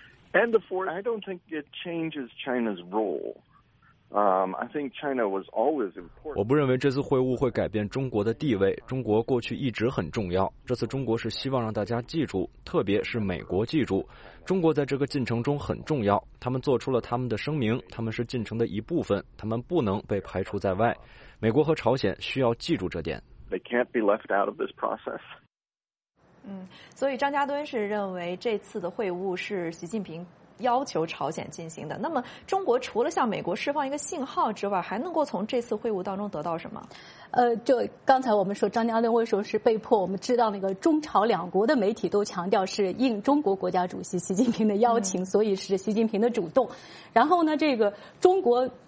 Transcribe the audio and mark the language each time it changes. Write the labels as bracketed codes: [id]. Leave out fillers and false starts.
[en] I don't think it changes China's role. I think China was always important. [zh] 我不认为这次会晤会改变中国的地位，中国过去一直很重要，这次中国是希望让大家记住，特别是美国记住，中国在这个进程中很重要，他们做出了他们的声明，他们是进程的一部分，他们不能被排除在外，美国和朝鲜需要记住这点。 [en] They can't be left out of this process. [zh] 所以张家敦是认为这次的会晤是习近平要求朝鲜进行的。那么中国除了向美国释放一个信号之外，还能够从这次会晤当中得到什么？就刚才我们说张家敦为什么是被迫，我们知道那个中朝两国的媒体都强调是应中国国家主席习近平的邀请，所以是习近平的主动。然后呢，这个中国